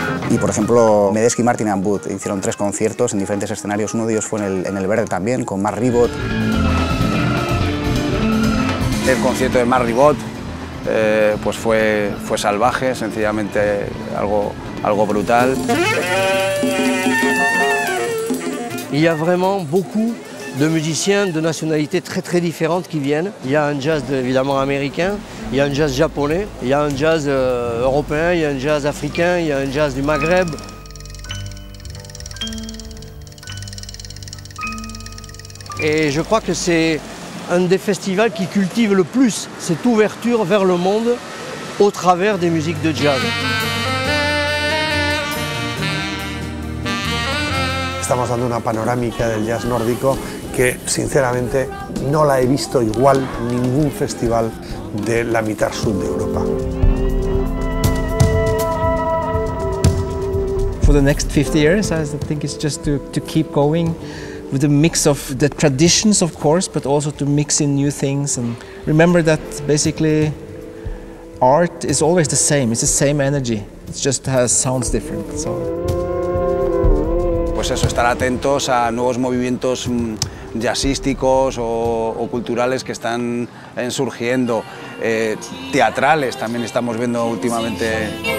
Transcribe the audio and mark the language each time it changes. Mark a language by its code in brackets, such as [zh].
[es] Y, por ejemplo, Medeski, Martin & Booth hicieron 3 conciertos en diferentes escenarios. Uno de ellos fue en el Verde también, con Mark Ribot. El concierto de Mark Ribot pues fue salvaje, sencillamente algo brutal. [fr] Il y a vraiment beaucoup de musiciens de nationalités très très différentes qui viennent. Il y a un jazz évidemment américain, il y a un jazz japonais, il y a un jazz européen, il y a un jazz africain, il y a un jazz du Maghreb. Et je crois que c'est un des festivals qui cultive le plus cette ouverture vers le monde au travers des musiques de jazz. [es] Estamos dando una panorámica del jazz nórdico que, sinceramente, no la he visto igual ningún festival de la mitad sur de Europa. [en] for the next 50 years. I think it's just to keep going with a mix of the traditions, of course, but also to mix in new things and remember that basically art is always the same. It's the same energy. It just sounds different. So. [es] Pues eso, estar atentos a nuevos movimientos jazzísticos o culturales que están surgiendo, teatrales también estamos viendo últimamente.